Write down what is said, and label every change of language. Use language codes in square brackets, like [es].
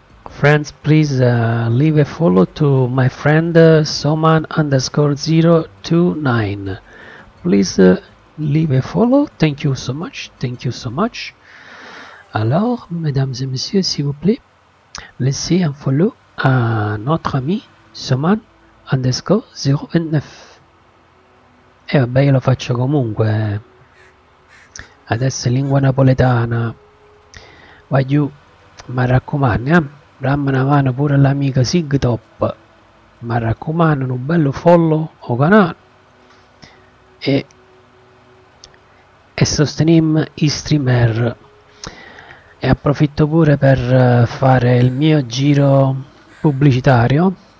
[en] Friends, please leave a follow to my friend Soman underscore 029. Please leave a follow, thank you so much, thank you so much. [fr] Alors, mesdames et messieurs, s'il vous plaît, laissez un follow à notre ami Soman underscore 029. [it] E vabbè, io lo faccio comunque. Adesso è lingua napoletana. Vai giù, ma raccomando, dammi una mano pure all'amica Sigtop. Ma raccomando, un bello follow o canale. E sostenim i streamer e approfitto pure per fare il mio giro pubblicitario.